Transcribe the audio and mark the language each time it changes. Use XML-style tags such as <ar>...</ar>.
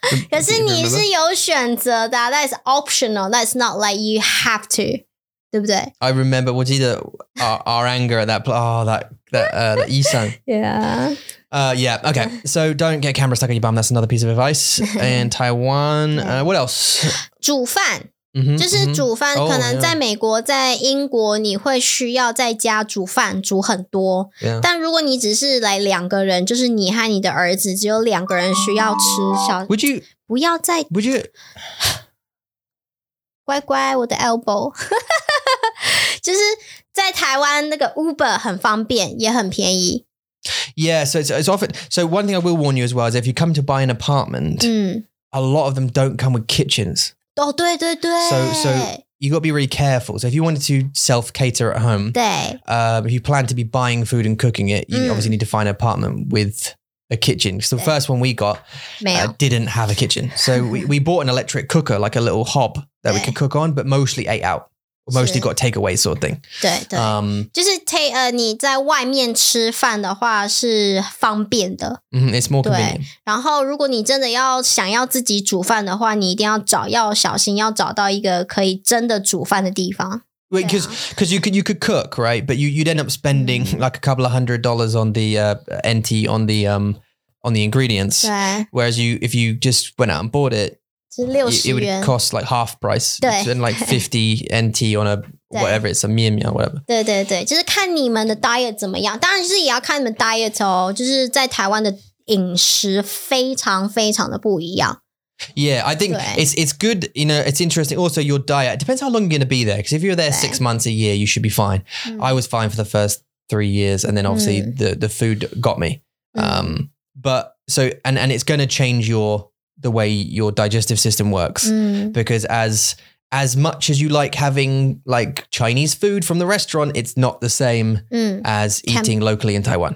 <zh>可是你是有选择的</zh> <en>That is optional That's not like you have to</en> <zh>对不对</zh> <en>I remember</en> <zh>我记得</zh> <en>our anger at that that</en> <zh>医生</zh> <en>Yeah okay So don't get camera stuck on your bum That's another piece of advice And Taiwan What else?</en> <zh>煮饭 就是煮饭可能在美国在英国你会需要在家煮饭煮很多、</zh> <en>yeah.</en> <zh>但如果你只是来两个人就是你和你的儿子只有两个人需要吃小</zh> <en>Would you</en> <zh>不要再</zh> <en>Would you</en> <zh>乖乖我的 elbow 就是在台湾那个 Uber 很方便也很便宜</zh> <en>Yeah so it's often So one thing I will warn you as well is if you come to buy an apartment、A lot of them don't come with kitchens</en> <zh>Oh, 对对对</zh> <en>So you got to be really careful. So if you wanted to self-cater at home,</en> <zh>对、</zh> <en>if you plan to be buying food and cooking it, you、obviously need to find an apartment with a kitchen. So the first one we got、didn't have a kitchen. So we bought an electric cooker, like a little hob that we could cook on, but mostly ate out. Mostly got takeaway sort of thing.</en> <zh>对对、就是 你在外面吃饭的话是方便的。</zh> <en>It's more convenient.</en> <zh>对然后如果你真的要想要自己煮饭的话你一定要找要小心要找到一个可以真的煮饭的地方。</zh> <en>Wait, because you could cook, right? But you'd end up spending like a couple of hundred dollars on the NT, on the ingredients. 对 Whereas if you just went out and bought it,It would cost like half price. And like 50 NT on a whatever, it's a mian mian or whatever.</en> <zh>对对对就是看你们的 diet 怎么样。当然就是也要看你们 diet 哦就是在台湾的饮食非常非常的不一样。</zh> <en>Yeah, I think it's good, you know, it's interesting. Also, your diet, it depends how long you're going to be there. Because if you're there 6 months a year, you should be fine.、I was fine for the first 3 years. And then obviously the food got me.、but so, and it's going to change the way your digestive system works、because as much as you like having like Chinese food from the restaurant, it's not the same、as eating locally in Taiwan.</en>